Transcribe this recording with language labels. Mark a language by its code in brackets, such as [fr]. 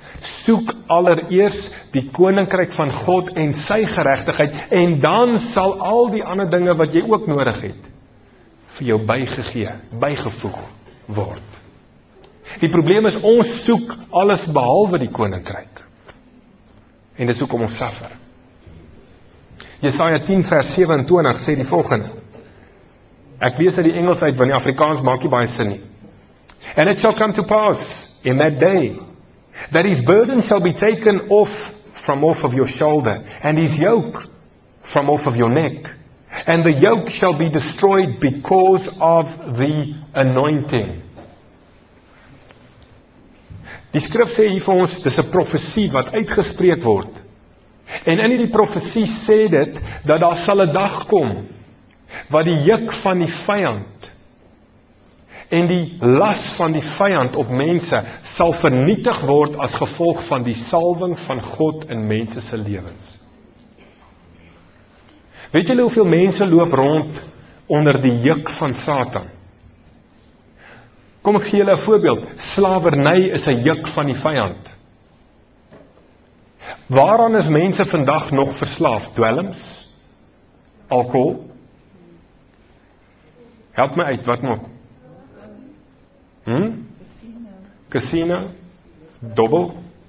[af] Soek allereers die koninkryk van God en sy geregtigheid en dan sal al die ander dinge wat jy ook nodig het vir jou bygegee, bygevoeg word. Die probleem is ons soek alles behalwe die koninkryk. En dis hoekom ons suffer. Jesaja 10 vers 27 sê die volgende. Ek lees uit die Engels uit, want die Afrikaans maak nie baie sin nie. [en] And it shall come to pass in that day that his burden shall be taken off from off of your shoulder and his yoke from off of your neck. And the yoke shall be destroyed because of the anointing. [af] Die skrif sê hier vir ons, dis 'n profesie wat uitgespreek word. En in die profesie sê dit, dat daar sal 'n dag kom, wat die juk van die vyand en die las van die vyand op mense sal vernietig word as gevolg van die salwing van God in mense se lewens. Weet julle hoeveel mense loop rond onder die juk van Satan? Kom ek gee julle 'n voorbeeld. Slawerny is 'n juk van die vyand. Waaraan is mense vandag nog verslaaf? Dwelms? Alkohol? Help my uit, wat nog? Casino? Dobbel?